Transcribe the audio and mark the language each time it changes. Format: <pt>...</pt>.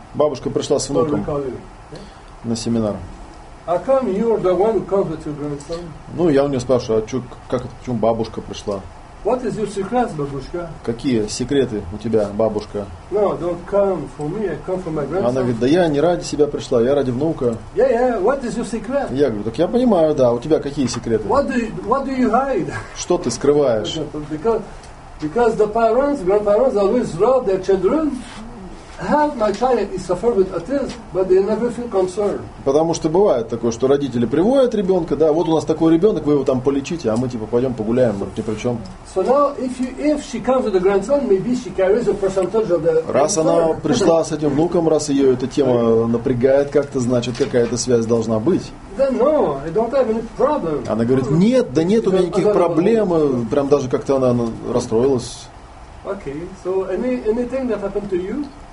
<ru>Бабушка пришла с внуком на семинар.</ru> <en>How come you're the one who comes with your grandson?</en> <ru>Ну, я у нее спрашиваю, а чё, как это, почему бабушка пришла?</ru> <en>What is your secret,</en> <ru>бабушка? Какие секреты у тебя, бабушка?</ru> <en>No, don't come for me, I come for my grandson.</en> <ru>Она говорит, да я не ради себя пришла, я ради внука.</ru> <en>Yeah, yeah, what is your secret?</en> <ru>Я говорю, так я понимаю, да, у тебя какие секреты?</ru> <en>What do you hide?</en> <ru>Что ты скрываешь?</ru> <en>Because the parents, grandparents always rob their children. Help my child is suffer with autism, but they never feel concerned.</en> <ru>Потому что бывает такое, что родители приводят ребенка, да, вот у нас такой ребенок, вы его там полечите, а мы типа пойдем погуляем, ни при чем.</ru> <en>So now if she comes with the grandson, maybe she carries a percentage of the.</en> <ru>Раз она пришла с этим внуком, раз ее эта тема напрягает как-то, значит, какая-то связь должна быть.</ru> <en>Then no, I don't have any problem.</en> <ru>Она говорит, нет, да нет у меня никаких проблем, прям даже как-то она расстроилась.</ru> <en>Okay, so anything that happened to you?</en>